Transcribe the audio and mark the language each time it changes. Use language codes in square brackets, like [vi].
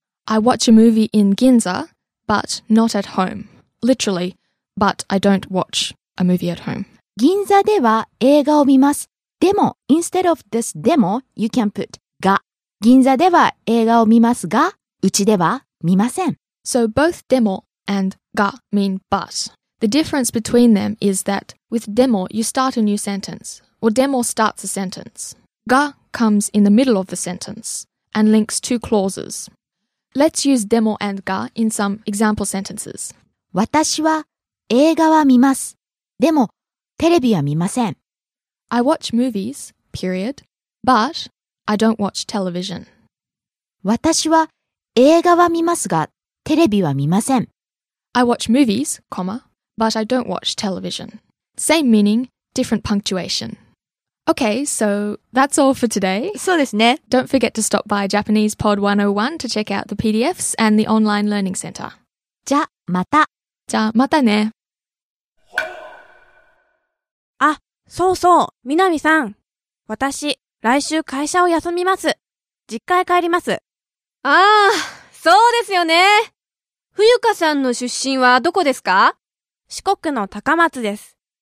[en] I watch a movie in Ginza. But not at home. Literally, but I don't watch a movie at home. [ja] 銀座では映画を見ます。 [en] でも、instead of this demo, you can put が。 [ja] 銀座では映画を見ますが、うちでは見ません。 [en] So both demo and が mean but. The difference between them is that with demo, you start a new sentence. Or demo starts a sentence. が comes in the middle of the sentence and links two clauses. Let's use demo and が in some example sentences. [ja] 私は映画は見ます。でも、テレビは見ません。 [en] I watch movies, period, but I don't watch television. [ja] 私は映画は見ますが、テレビは見ません。 [en] I watch movies, comma, but I don't watch television. Same meaning, different punctuation. Okay, so that's all for today. [ja] そうですね。 [en] Don't forget to stop by JapanesePod 101 to check out the PDFs and the Online Learning Center. [ja] じゃ、また。じゃ、またね。あ、そうそう、みなみさん。私、来週会社を休みます。実家へ帰ります。ああ、そうですよね。冬香さんの出身はどこですか？四国の高松です。